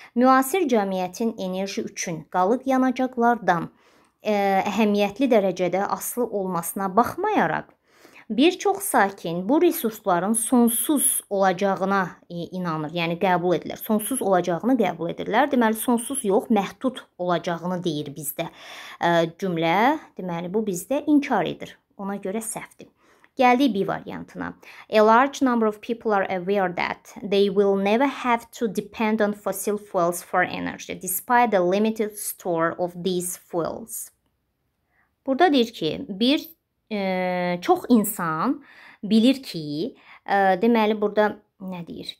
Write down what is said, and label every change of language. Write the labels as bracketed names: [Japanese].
[Azerbaijani] Müasir cəmiyyətin enerji üçün qalıq yanacaqlardan əhəmiyyətli dərəcədə asılı olmasına baxmayaraq, bir çox sakin bu resursların sonsuz olacağına inanır, yəni qəbul edirlər. Sonsuz olacağını qəbul edirlər. Deməli, sonsuz yox, məhdud olacağını deyir bizdə cümlə. Deməli, bu bizdə inkar edir. Ona görə səhvdir. Gəldik B variantına. [English] A large number of people are aware that they will never have to depend on fossil fuels for energy, despite the limited store of these fuels. [Azerbaijani] Burada deyir ki, bir çox insan bilir ki, deməli burada nə deyir?